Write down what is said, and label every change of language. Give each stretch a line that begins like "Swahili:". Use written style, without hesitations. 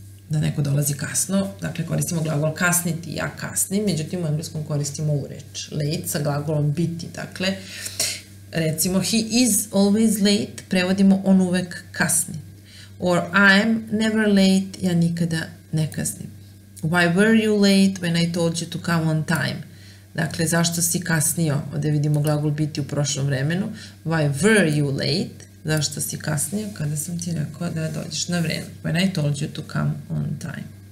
Serbian: da neko dolazi kasno, dakle koristimo glagol kasniti, ja kasnim, međutim u engleskom koristimo ovu reč late sa glagolom biti, dakle recimo
English: he is always late,
Serbian: prevodimo on uvek kasni.
English: Or I am never late,
Serbian: ja nikada ne kasnim.
English: Why were you late when I told you to come on time?
Serbian: Dakle, zašto si kasnio? Ovde vidimo glagol biti u prošlom vremenu.
English: Why were you late?
Serbian: Zašto si kasnio? Kada sam ti rekao da dođeš na vreme.
English: When I told you to come on time.